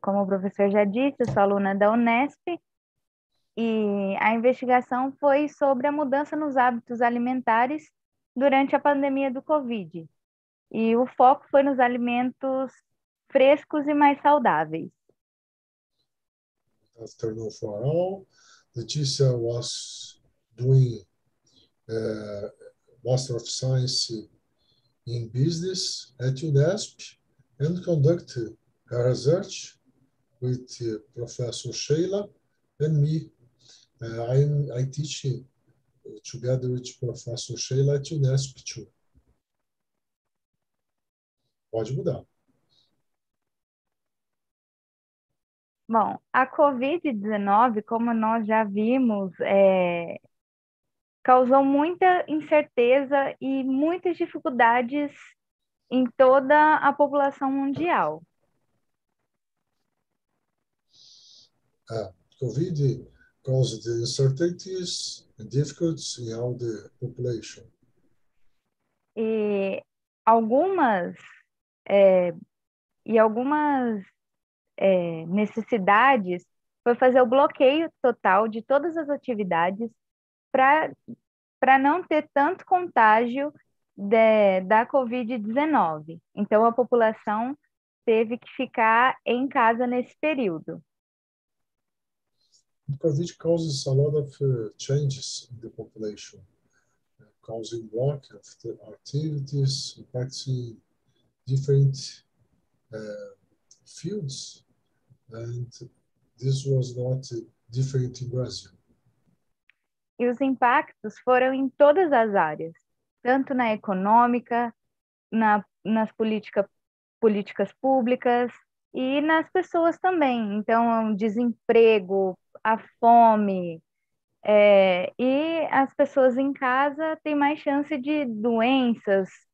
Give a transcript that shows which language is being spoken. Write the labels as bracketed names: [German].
[Portuguese] Como o professor já disse, sou aluna da Unesp e a investigação foi sobre a mudança nos hábitos alimentares durante a pandemia do Covid. E o foco foi nos alimentos frescos e mais saudáveis. [English] Afternoon for all. Letícia was doing Master of Science in Business at UNESP and conducted her research with Professor Sheila and me. I teach together with Professor Sheila at UNESP too. [Portuguese] Pode mudar. Bom, a COVID-19, como nós já vimos, causou muita incerteza e muitas dificuldades em toda a população mundial. [English] A COVID caused uncertainties and difficulties in all the population. [Portuguese] E algumas necessidades foi fazer o bloqueio total de todas as atividades para não ter tanto contágio da COVID-19. Então, a população teve que ficar em casa nesse período. [English] The COVID causes a lot of changes in the population, causing block of the activities, impacting different fields. And this was not different in Brazil. [Portuguese] E os impactos foram em todas as áreas, tanto na econômica, nas políticas públicas e nas pessoas também. Então, desemprego, a fome, e as pessoas em casa têm mais chance de doenças.